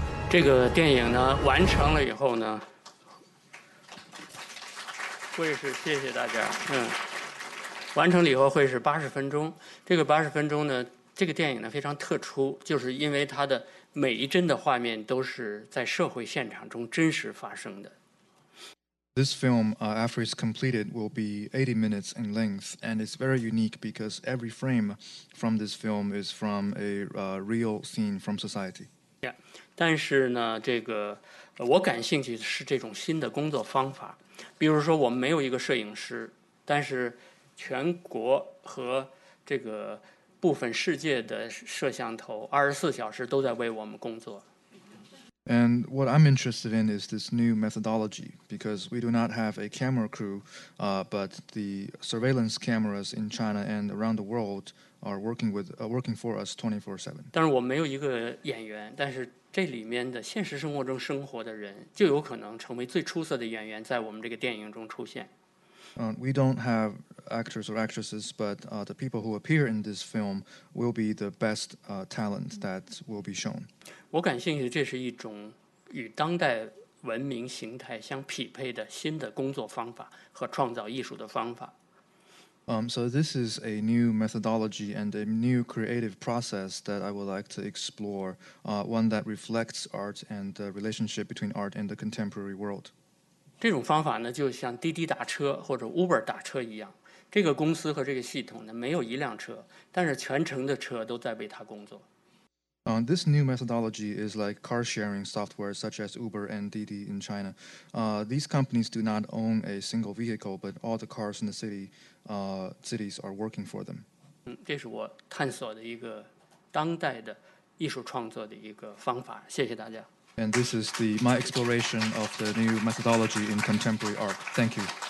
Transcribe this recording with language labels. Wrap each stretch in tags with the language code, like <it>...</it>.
<zh>这个电影呢完成了以后呢，会是谢谢大家。完成了以后会是80分钟。这个80分钟呢，这个电影呢非常特殊，就是因为它的每一帧的画面都是在社会现场中真实发生的。</zh> <en>This film, after it's completed, will be 80 minutes in length, and it's very unique because every frame from this film is from a real scene from society.</en> <zh>Yeah, 但是呢，这个我感兴趣的是这种新的工作方法，比如说我们没有一个摄影师，但是全国和这个部分世界的摄像头24小时都在为我们工作。</zh> <en>And what I'm interested in is this new methodology, because we do not have a camera crew, but the surveillance cameras in China and around the world are working for us 24/7.</en> <zh>但是我没有一个演员，但是这里面的现实生活中生活的人就有可能成为最出色的演员，在我们这个电影中出现。</zh> <en>We don't have actors or actresses, but the people who appear in this film will be the best talent that will be shown.</en> <zh>我感兴趣，这是一种与当代文明形态相匹配的新的工作方法和创造艺术的方法。</zh> <en>So this is a new methodology and a new creative process that I would like to explore, one that reflects art and the relationship between art and the contemporary world.</en> <zh>这种方法呢，就像滴滴打车或者 Uber 打车一样，这个公司和这个系统呢，没有一辆车，但是全城的车都在为它工作。</zh> <en>This new methodology is like car sharing software such as Uber and Didi in China. These companies do not own a single vehicle, but all the cars in the cities are working for them.</en> <zh>这是我探索的一个当代的艺术创作的一个方法，谢谢大家。</zh> <en>And this is my exploration of the new methodology in contemporary art. Thank you.</en>